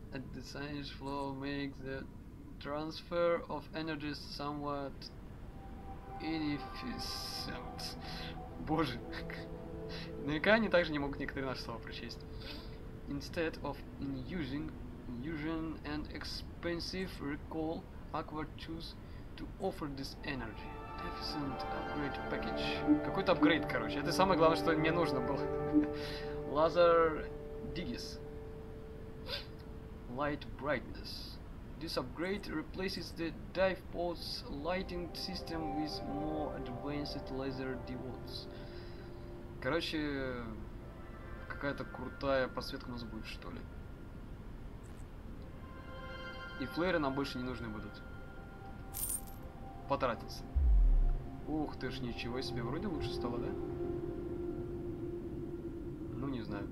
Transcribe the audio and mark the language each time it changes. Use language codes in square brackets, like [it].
[en] A design flow makes the transfer of energy somewhat inefficient. [ru] Боже. Наверняка они также не могут некоторые наши слова прочесть. [en] Instead of using an expensive recall, Aqua choose to offer this energy. Deficient upgrade package. [ru] Какой-то апгрейд, короче. Это самое главное, что мне нужно было. [en] Laser Digis. Light Brightness. This upgrade replaces the dive pod's lighting system with more advanced laser diodes. [ru] Короче, какая-то крутая подсветка у нас будет, что ли. И флэры нам больше не нужны будут. Потратиться. Ух ты ж, ничего себе, вроде лучше стало, да? Ну, не знаю.